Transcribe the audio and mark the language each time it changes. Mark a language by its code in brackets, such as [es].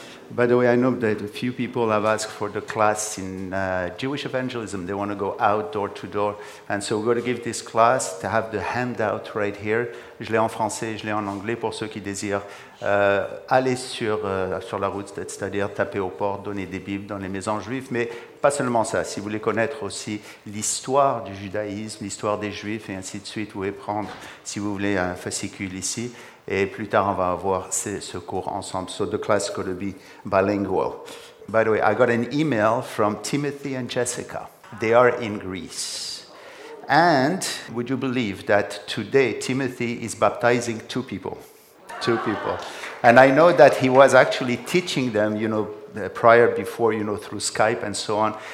[en] By the way, I know that a few people have asked for the class in Jewish evangelism. They want to go out door to door. And so we're going to give this class to have the handout right here. [fr] Je l'ai en français, je l'ai en anglais pour ceux qui désirent aller sur la route, c'est-à-dire taper aux portes, donner des bibles dans les maisons juives. Mais pas seulement ça. Si vous voulez connaître aussi l'histoire du judaïsme, l'histoire des juifs et ainsi de suite, vous pouvez prendre, si vous voulez, un fascicule ici. Et plus tard, on va avoir ce cours ensemble. [en] So the class is going to be bilingual. By the way, I got an email from Timothy and Jessica. They are in Greece. And would you believe that today Timothy is baptizing two people? Two people. And I know that he was actually teaching them, you know, prior before, you know, through Skype and so on.